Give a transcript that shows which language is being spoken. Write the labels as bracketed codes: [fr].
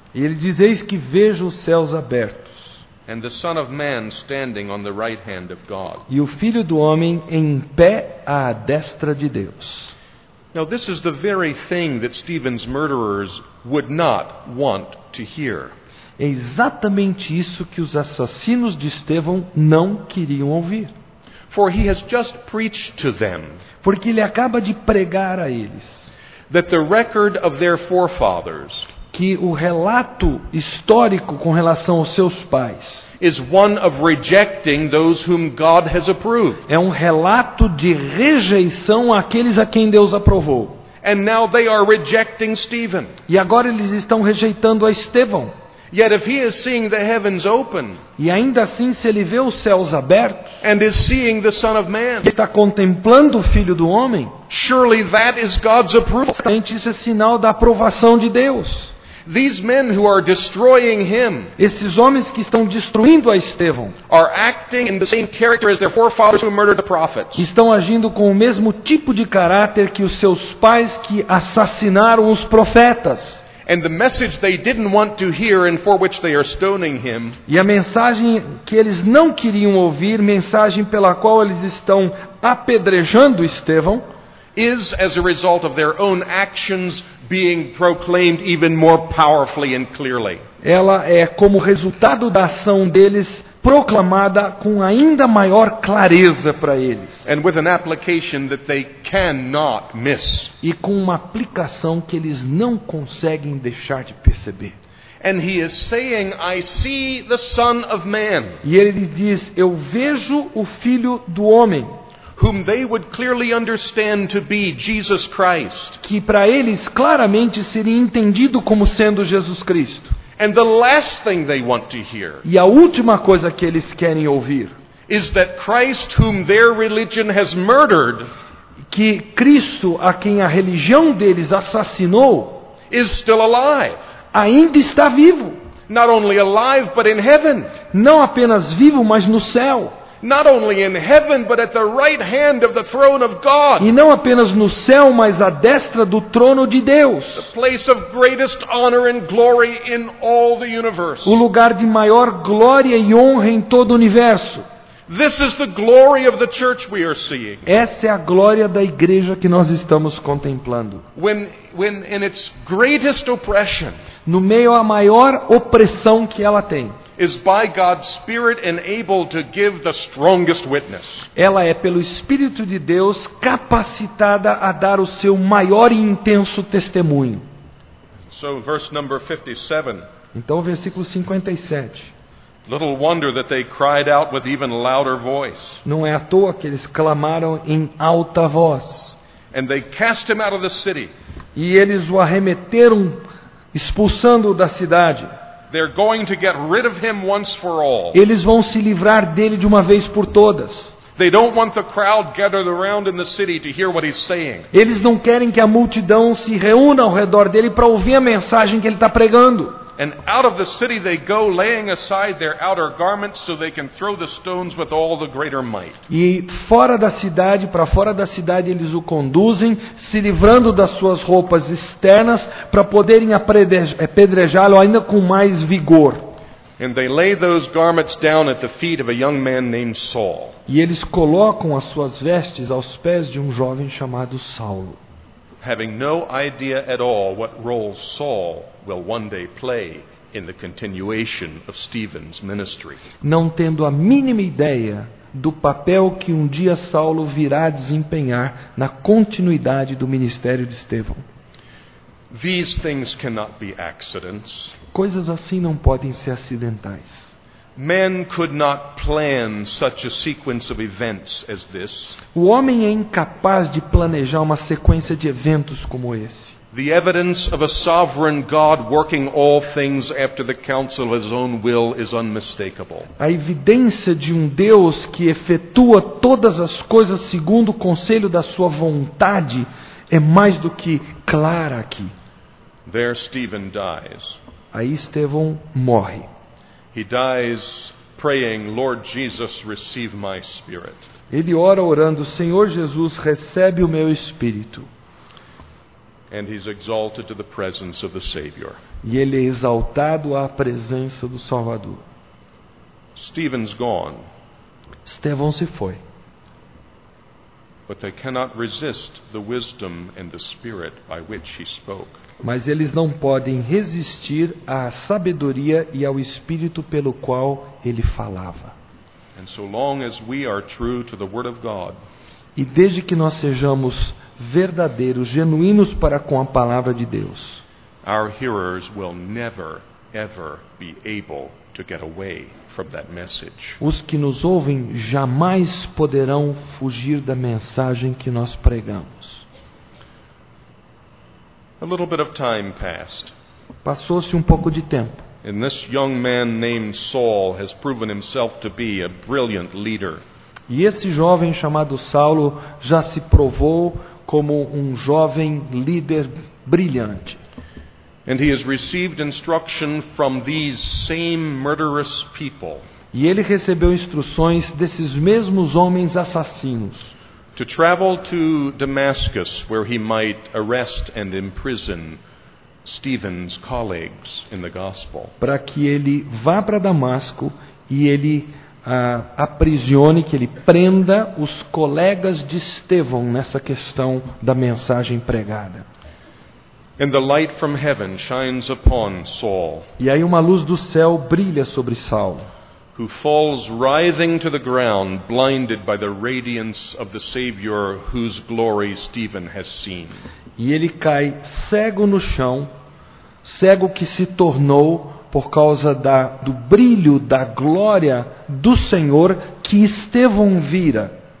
[pt] E ele diz, eis que vejo os céus abertos. [en] And the Son of Man standing on the right hand of God. [pt] E o Filho do Homem em pé à destra de Deus. [en] Now this is the very thing that Stephen's murderers would not want to hear. [pt] É exatamente isso que os assassinos de Estevão não queriam ouvir. [en] For he has just preached to them. [pt] Porque ele acaba de pregar a eles. [en] That the record of their forefathers. [pt] Que o relato histórico com relação aos seus pais. [en] Is one of rejecting those whom God has approved. [pt] É um relato de rejeição àqueles a quem Deus aprovou. [en] And now they are rejecting Stephen. [pt] E agora eles estão rejeitando a Estevão. [en] Yet if he is seeing the heavens open, [pt] e ainda assim se ele vê os céus abertos, [en] and is seeing the Son of Man, [pt] está contemplando o Filho do Homem, [en] surely that is God's approval. [pt] Certamente isso é sinal da aprovação de Deus. [en] These men who are destroying him, [pt] esses homens que estão destruindo a Estevão, [en] are acting in the same character as their forefathers who murdered the prophets. [pt] Estão agindo com o mesmo tipo de caráter que os seus pais que assassinaram os profetas. [en] And the message they didn't want to hear and for which they are stoning him, [pt] e a mensagem que eles não queriam ouvir, mensagem pela qual eles estão apedrejando Estevão, [en] is as a result of their own actions being proclaimed even more powerfully and clearly. [pt] Ela é como resultado da ação deles proclamada com ainda maior clareza para eles. [en] And with an application that they cannot miss. [pt] E com uma aplicação que eles não conseguem deixar de perceber. [en] And he is saying, I see the Son of Man. [pt] E ele diz, eu vejo o Filho do Homem. [en] Whom they would clearly understand to be Jesus Christ. [pt] Que para eles claramente seria entendido como sendo Jesus Cristo. [en] And the last thing they want to hear, [pt] e a última coisa que eles querem ouvir, [en] is that Christ, whom their religion has murdered, [pt] que Cristo, a quem a religião deles assassinou, [en] is still alive. [pt] Ainda está vivo. [en] Not only alive, but in heaven. [pt] Não apenas vivo, mas no céu. [en] Not only in heaven, but at the right hand of the throne of God. [pt] E não apenas no céu, mas à destra do trono de Deus. [en] The place of greatest honor and glory in all the universe. [pt] O lugar de maior glória e honra em todo o universo. [en] This is the glory of the church we are seeing. [pt] Essa é a glória da igreja que nós estamos contemplando. [en] When in its greatest oppression, [pt] no meio à maior opressão que ela tem, [en] is by God's Spirit enabled to give the strongest witness. [pt] Ela é pelo Espírito de Deus capacitada a dar o seu maior e intenso testemunho. [en] So verse number 57. [pt] Então versículo 57. [en] Little wonder that they cried out with even louder voice. [pt] Não é à toa que eles clamaram em alta voz. [en] And they cast him out of the city. [pt] E eles o arremeteram, expulsando-o da cidade. [en] They're going to get rid of him once for all. [pt] Eles vão se livrar dele de uma vez por todas. [en] They don't want the crowd gathered around in the city to hear what he's saying. [pt] Eles não querem que a multidão se reúna ao redor dele para ouvir a mensagem que ele está pregando. [en] And out of the city they go, laying aside their outer garments so they can throw the stones with all the greater might. [pt] E fora da cidade, para fora da cidade, eles o conduzem, se livrando das suas roupas externas, para poderem apedrejá-lo ainda com mais vigor. [en] And they lay those garments down at the feet of a young man named Saul. [pt] E eles colocam as suas vestes aos pés de um jovem chamado Saulo. [en] Having no idea at all what role Saul will one day play in the continuation of Stephen's ministry. [pt] Não tendo a mínima ideia do papel que um dia Saulo virá desempenhar na continuidade do ministério de Estevão. [en] These things cannot be accidents. [pt] Coisas assim não podem ser acidentais. [en] Man could not plan such a sequence of events as this. [pt] O homem é incapaz de planejar uma sequência de eventos como esse. [en] The evidence of a sovereign God working all things after the counsel of his own will is unmistakable. [pt] A evidência de um Deus que efetua todas as coisas segundo o conselho da sua vontade é mais do que clara aqui. [en] There Stephen dies. [pt] Aí Estevão morre. [en] He dies praying, Lord Jesus, receive my spirit. [pt] Ele ora orando, Senhor Jesus, recebe o meu espírito. [en] And he's exalted to the presence of the Savior. [pt] E ele é exaltado à presença do Salvador. [en] Stephen's gone. [pt] Estevão se foi. [en] But they cannot resist the wisdom and the spirit by which he spoke. [pt] Mas eles não podem resistir à sabedoria e ao espírito pelo qual ele falava. [en] And so long as we are true to the word of God, [pt] e desde que nós sejamos verdadeiros, genuínos para com a palavra de Deus, [en] our hearers will never, ever be able to get away from that message. [pt] Os que nos ouvem jamais poderão fugir da mensagem que nós pregamos. [en] A little bit of time passed. [pt] Passou-se um pouco de tempo. [en] And this young man named Saul has proven himself to be a brilliant leader. [pt] E esse jovem chamado Saulo já se provou como jovem líder brilhante. [en] And he has received instruction from these same murderous people. [pt] E ele recebeu instruções desses mesmos homens assassinos. [en] To travel to Damascus, where he might arrest and imprison Stephen's colleagues in the gospel. [pt] Para que ele vá para Damasco e ele aprisione, que ele prenda os colegas de Estevão nessa questão da mensagem pregada. [en] And the light from heaven shines upon Saul. [pt] E aí uma luz do céu brilha sobre Saulo. [en] Who falls writhing to the ground, blinded by the radiance of the Savior whose glory Stephen has seen. [pt] E ele cai cego no chão, cego que se tornou por causa do brilho da glória do Senhor que Estevão vira.